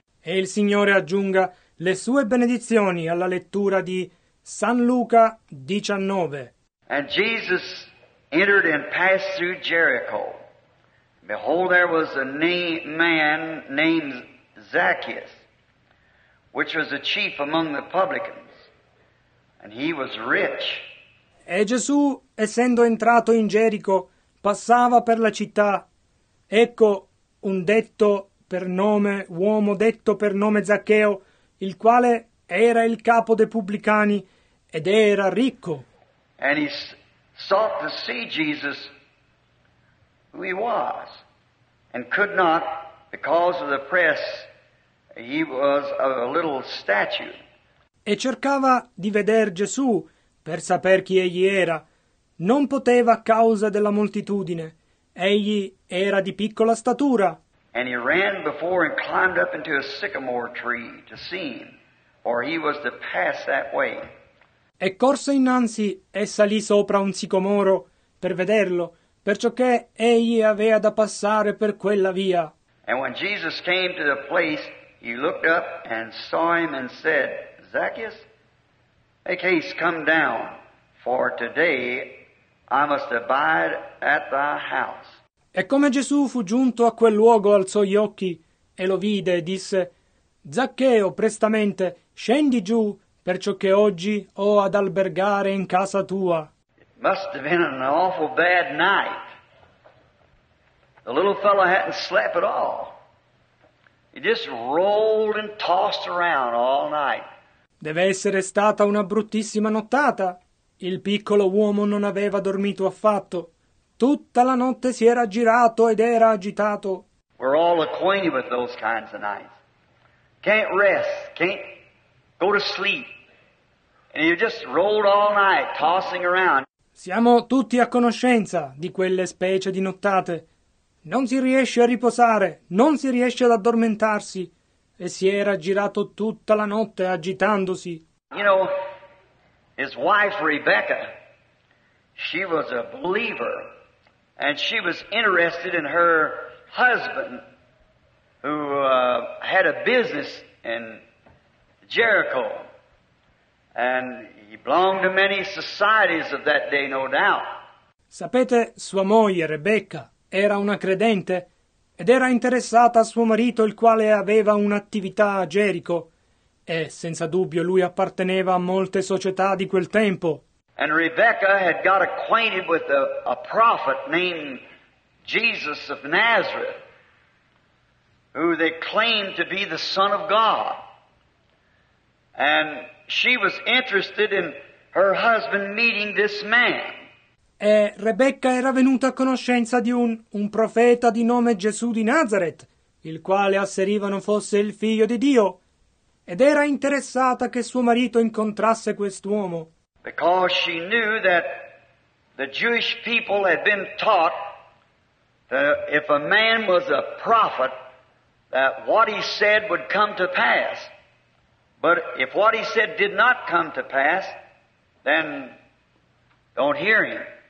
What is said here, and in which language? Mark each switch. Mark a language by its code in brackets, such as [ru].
[it] E il Signore aggiunga le sue benedizioni alla lettura di San Luca 19. [en] And Jesus entered and passed through Jericho. Behold, there was a man named Zacchaeus, which was a chief among the publicans, and he was rich. [it] E Gesù, essendo entrato in Gerico, passava per la città. Ecco un detto per nome, uomo detto per nome Zaccheo, il quale era il capo dei pubblicani. Ed era ricco. [en] And he sought to see Jesus, who he was, and could not, because of the press, he was a little statue. [it] E cercava di veder Gesù per saper chi egli era. Non poteva a causa della moltitudine. Egli era di piccola statura. [en] And he ran before and climbed up into a sycamore tree to see him, for he was to pass that way. [it] E corse innanzi e salì sopra un sicomoro per vederlo, perciò che egli aveva da passare per quella via. [en] And when Jesus came to the place, he looked up and saw him and said, "Zacchaeus, make haste, come down, for today I must abide at thy house." [it] E come Gesù fu giunto a quel luogo, alzò gli occhi e lo vide e disse, "Zaccheo, prestamente, scendi giù, perciò che oggi ho ad albergare in casa tua." [en] It must have been an awful bad night. The little fellow hadn't slept at all. He just rolled and tossed around all night. [it] Deve essere stata una bruttissima nottata. Il piccolo uomo non aveva dormito affatto. Tutta la notte si era girato ed era agitato. [en] We're all acquainted with those kinds of nights. Can't rest, can't go to sleep, and you just rolled all night, tossing around. [it] Siamo tutti a conoscenza di quelle specie di nottate. Non si riesce a riposare, non si riesce ad addormentarsi. E si era girato tutta la notte agitandosi. [en] You know, his wife Rebecca, she was a believer, and she was interested in her husband, who had a business in Jericho, and he belonged to many societies of that day, no doubt. [it] Sapete, sua moglie Rebecca era una credente ed era interessata a suo marito, il quale aveva un'attività a Gerico, e senza dubbio lui apparteneva a molte società di quel tempo. [en] And Rebecca had got acquainted with a prophet named Jesus of Nazareth, who they claimed to be the Son of God. And she was interested in her husband meeting this man. [it] E Rebecca era venuta a conoscenza di un profeta di nome Gesù di Nazareth, il quale asserivano fosse il figlio di Dio, ed era interessata che suo marito incontrasse quest'uomo. [en] Because she knew that the Jewish people had been taught that if a man was a prophet, that what he said would come to pass. But if what he said did not come to pass, then don't hear him.